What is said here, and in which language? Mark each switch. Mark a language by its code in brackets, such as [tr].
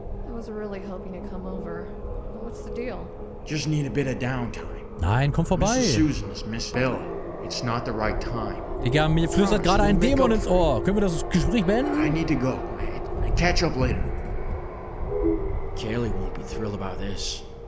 [en] I was really hoping to come over. What's the deal? Just need a bit of downtime. [de] Nein, komm vorbei. [en] Mrs. Susan is Miss Bella. It's not the right time. [de] Digga, mir flüstert gerade ein Dämon ins Ohr. Können wir das Gespräch beenden? [en] I need to go. I catch up later. Kaylee won't be thrilled about this.